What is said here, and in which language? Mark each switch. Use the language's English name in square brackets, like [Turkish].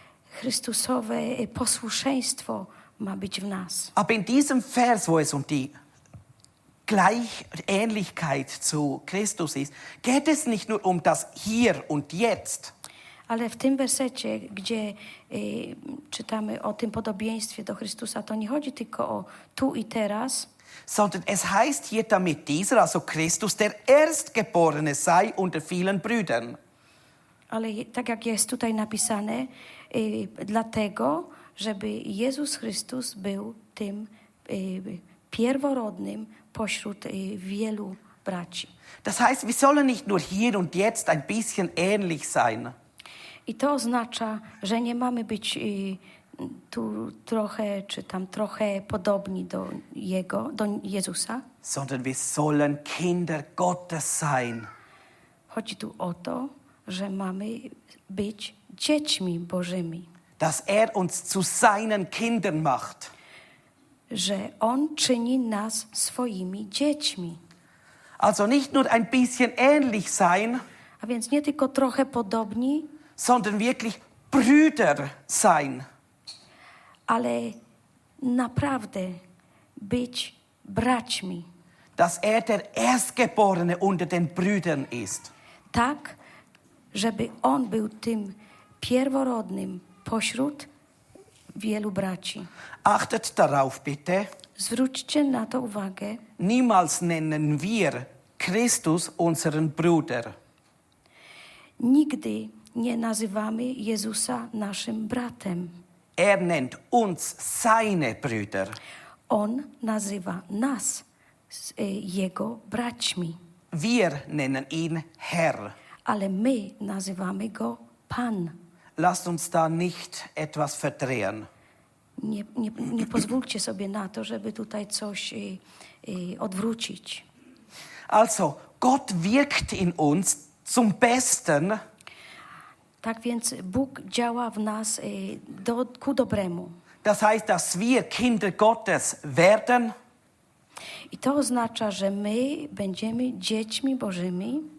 [Polish] Chrystusowe posłuszeństwo ma być w nas. [German] Aber in diesem Vers, wo es um die Gleichähnlichkeit zu Christus ist, geht es nicht nur um das Hier und Jetzt. [Polish] Ale w tym wersecie, gdzie czytamy o tym podobieństwie do Chrystusa, to nie chodzi tylko o tu i teraz. [German] Sondern es heißt hier damit dieser, also Christus, der Erstgeborene sei unter vielen Brüdern. [Polish] Ale tak jak jest tutaj napisane, dlatego, żeby Jezus Chrystus był tym pierworodnym pośród wielu braci. [German] Das heißt, wir sollen nicht nur hier und jetzt ein bisschen ähnlich sein. [Polish] I to oznacza, że nie mamy być tu trochę czy tam trochę podobni do Jego, do Jezusa. [German] Sondern wir sollen Kinder Gottes sein. [Polish] Chodzi tu o to, że mamy być dziećmi Bożymi. [German] Dass er uns zu seinen Kindern macht. [Polish] Że On czyni nas swoimi dziećmi. [German] Also nicht nur ein bisschen ähnlich sein, [Polish] a więc nie tylko trochę podobni, [German] sondern wirklich Brüder sein. [Polish] Ale naprawdę być braćmi. [German] Dass er der Erstgeborene unter den Brüdern ist. [Polish] Tak, żeby On był tym pierworodnym pośród wielu braci. [German] Achtet darauf bitte. [Polish] Zwróćcie na to uwagę. [German] Niemals nennen wir Christus unseren Bruder. [Polish] Nigdy nie nazywamy Jezusa naszym bratem. [German] Er nennt uns seine Brüder. [Polish] On nazywa nas jego braćmi. [German] Wir nennen ihn Herr. [Polish] Ale my nazywamy go Pan. [German] Lasst uns da nicht etwas verdrehen. [Polish] Nie pozwólcie sobie na to, żeby tutaj coś odwrócić. [German] Also, Gott wirkt in uns zum Besten. [Polish] Tak więc Bóg działa w nas ku dobremu. [German] Das heißt, dass wir Kinder Gottes werden. [Polish] I to oznacza, że my będziemy dziećmi Bożymi.